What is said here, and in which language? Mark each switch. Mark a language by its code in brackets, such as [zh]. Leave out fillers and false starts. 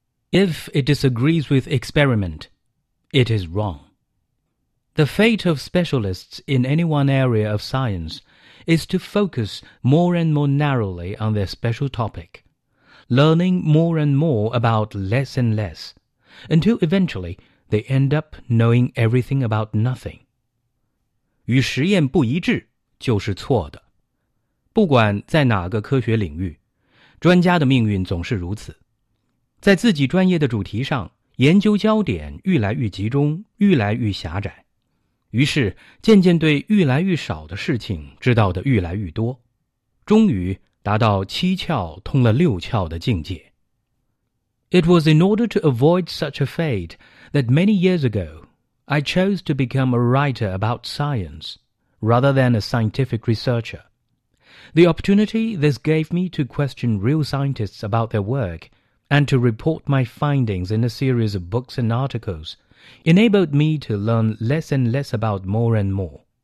[en] If it disagrees with experiment, it is wrongThe fate of specialists in any one area of science is to focus more and more narrowly on their special topic, learning more and more about less and less, until eventually they end up knowing everything about nothing. [zh] 与实验不一致就是错的。不管在哪个科学领域，专家的命运总是如此。在自己专业的主题上，研究焦点愈来愈集中，愈来愈狭窄，于是渐渐对愈来愈少的事情知道的愈来愈多，终于达到七窍通了六窍的境界。 [en] It was in order to avoid such a fate that many years ago, I chose to become a writer about science rather than a scientific researcher. The opportunity this gave me to question real scientists about their work and to report my findings in a series of books and articles enabled me to learn less and less about more and more.